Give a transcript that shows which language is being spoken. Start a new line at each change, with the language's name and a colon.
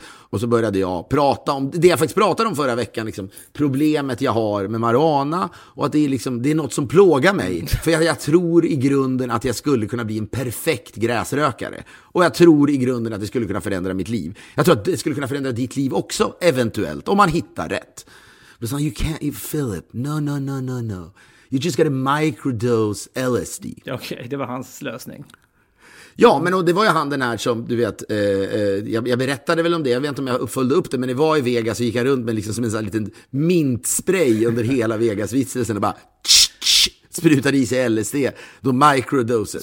Swedish: Och så började jag prata om det jag faktiskt pratade om förra veckan. Liksom, problemet jag har med marijuana. Och att det är, liksom, det är något som plågar mig. För jag tror i grunden att jag skulle kunna bli en perfekt gräsrökare. Och jag tror i grunden att det skulle kunna förändra mitt liv. Jag tror att det skulle kunna förändra ditt liv också, eventuellt. Om man hittar rätt.
English: Men så, you can't, Philip, no. You just got a microdose LSD.
Swedish: Okej, det var hans lösning. Ja, men det var ju han den här som, du vet, jag berättade väl om det. Jag vet inte om jag följde upp det, men det var i Vegas. Så gick han runt med liksom som en sån liten mintspray under hela Vegas-vitsen och bara sprutade i sig LSD. Då microdoses.